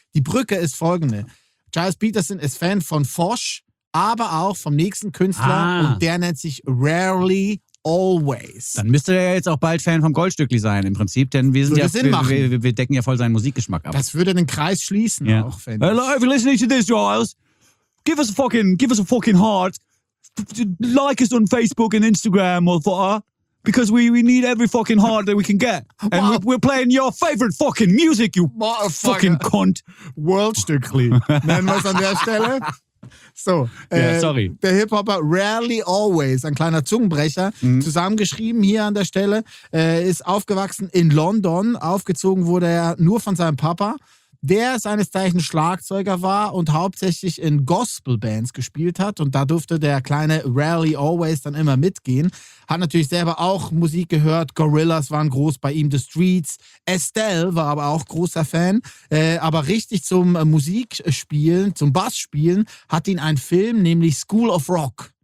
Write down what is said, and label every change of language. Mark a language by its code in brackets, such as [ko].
[de] Die Brücke ist folgende. Charles Peterson ist Fan von Fosch, aber auch vom nächsten Künstler und der nennt sich Rarely Always. Dann müsste er ja jetzt auch bald Fan vom Goldstückli sein im Prinzip, denn wir sind wir decken ja voll seinen Musikgeschmack ab. Das würde den Kreis schließen auch, Fan. [en] Hello, if you're listening to this, Giles, give us a fucking heart. Like us on Facebook and Instagram or whatever, because we need every fucking heart that we can get. And we're playing your favorite fucking music, you fucking cunt. [de] Goldstückli. Nennen wir es an der Stelle. So, der Hip-Hopper Rarely Always, ein kleiner Zungenbrecher, zusammengeschrieben hier an der Stelle, ist aufgewachsen in London, aufgezogen wurde er nur von seinem Papa, der seines Zeichens Schlagzeuger war und hauptsächlich in Gospel-Bands gespielt hat und da durfte der kleine Rarely Always dann immer mitgehen, hat natürlich selber auch Musik gehört, Gorillaz waren groß bei ihm, The Streets, Estelle war aber auch großer Fan, aber richtig zum Musikspielen, zum Bassspielen hat ihn ein Film, nämlich School of Rock.